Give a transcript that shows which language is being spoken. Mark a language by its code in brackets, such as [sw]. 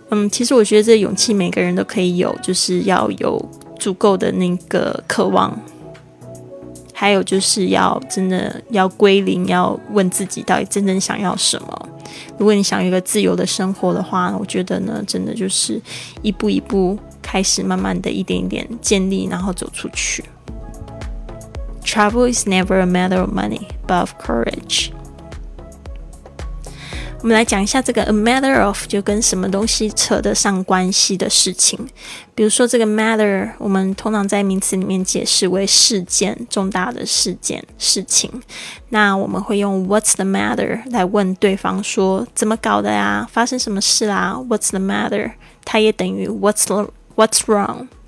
[zh] 其实我觉得这勇气每个人都可以有，就是要有足够的那个渴望，还有就是要真的要归零，要问自己到底真正想要什么。如果你想有一个自由的生活的话，我觉得呢真的就是一步一步开始，慢慢的一点一点建立，然后走出去。 [en] Travel is never a matter of money but of courage. [zh] 我们来讲一下这个 a matter of 就跟什么东西扯得上关系的事情。比如说这个 matter 我们通常在名词里面解释为事件，重大的事件事情，那我们会用 [en] what's the matter [zh] 来问对方说怎么搞的呀，发生什么事啦， what's the matter， 它也等于 [en] what's wrong。